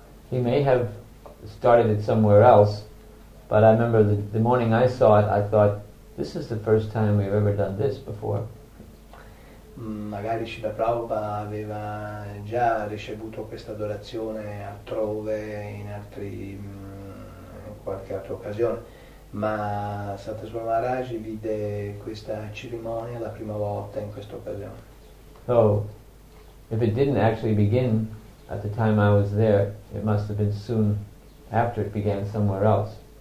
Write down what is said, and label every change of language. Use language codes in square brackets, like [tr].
[en] He may have started it somewhere else, but I remember the morning I saw it, I thought, this is the first time we've ever done this before. [it] Magari Srila Prabhupada aveva già ricevuto questa adorazione altrove, in qualche altra occasione, ma Satyasvara Maharaj vide questa cerimonia la prima volta in questa occasione. [en] So, if it didn't actually begin at the time I was there, it must have been soon after it began somewhere else.